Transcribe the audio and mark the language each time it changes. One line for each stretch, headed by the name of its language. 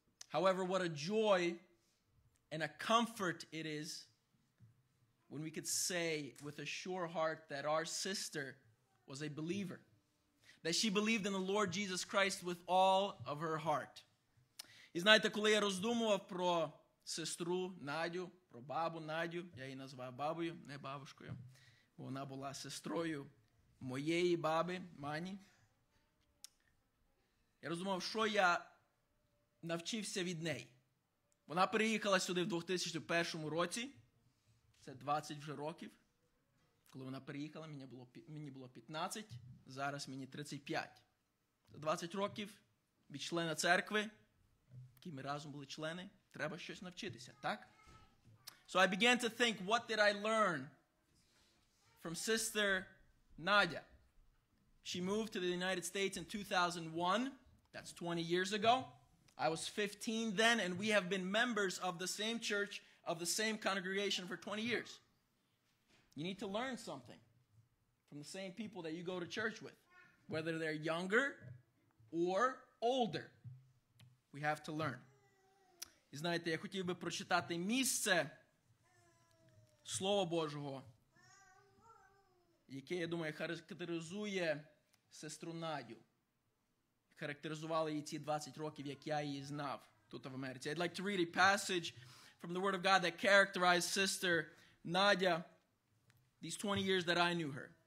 English: However, what a joy and a comfort it is when we could say with a sure heart that our sister was a believer. That she believed in the Lord Jesus Christ with all of her heart.
Ukrainian: І знаєте, коли я роздумував про сестру Надю, про бабу Надю, я її назвав бабою, не бабушкою, бо вона була сестрою моєї баби Мані. Я розумів, що я навчився від неї. Вона переїхала сюди в 2001 році. Це 20 вже років. Коли вона переїхала, мені було 15, зараз мені 35. Це 20 років від члена церкви, які ми разом були члени. Треба щось навчитися, так?
English: So I began to think, what did I learn from sister Nadia? She moved to the United States in 2001. That's 20 years ago. I was 15 then, and we have been members of the same church, of the same congregation for 20 years. You need to learn something from the same people that you go to church with, whether they're younger or older. We have to learn.
Ukrainian: І знаєте, я хотів би прочитати місце Слова Божого, яке, я думаю, характеризує сестру Надю. Характеризували її ці 20 років, як я її знав тут в Америці.
English: I'd like to read a passage from the Word of God that characterized sister Nadia these 20 years that I knew her.